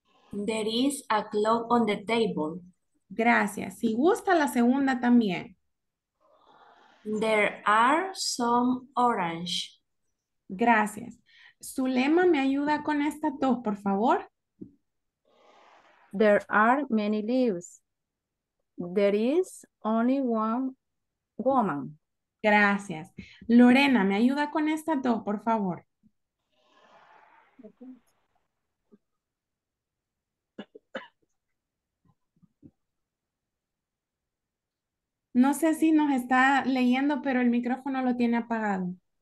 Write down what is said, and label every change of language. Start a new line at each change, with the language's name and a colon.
English: There is a clock on the table.
Spanish: Gracias. Si gusta, la segunda también.
English: There are some orange.
Spanish: Gracias. Zulema, ¿me ayuda con estas dos, por favor?
English: There are many leaves. There is only one woman.
Spanish: Gracias. Lorena, ¿me ayuda con estas dos, por favor? No sé si nos está leyendo, pero el micrófono lo tiene apagado.